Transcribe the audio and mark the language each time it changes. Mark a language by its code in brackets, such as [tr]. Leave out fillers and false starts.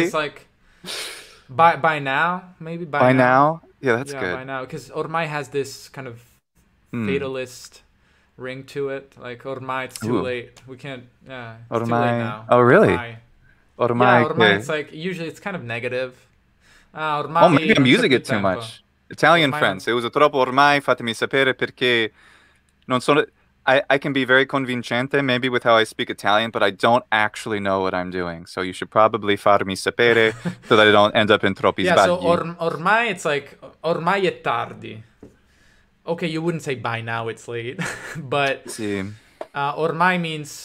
[en] It's like, by now, maybe? By now? Now? Yeah, that's good. By now, because ormai has this kind of fatalist ring to it. Like, ormai, it's too late. We can't, it's [it] ormai. [en] Too late now. Oh, really? [it] Ormai. [en] Yeah, ormai, it's like, usually it's kind of negative. Oh, maybe I'm using it too much. Italian friends. It was a [it] troppo ormai, fatemi sapere perché non sono. [en] I can be very convincente maybe with how I speak Italian, but I don't actually know what I'm doing. So you should probably [it] farmi sapere [en] so that I don't end up in [it] troppi sbagli. [en] Yeah, so ormai it's like, [it] ormai è tardi. [en] Okay, you wouldn't say by now it's late, but ormai means...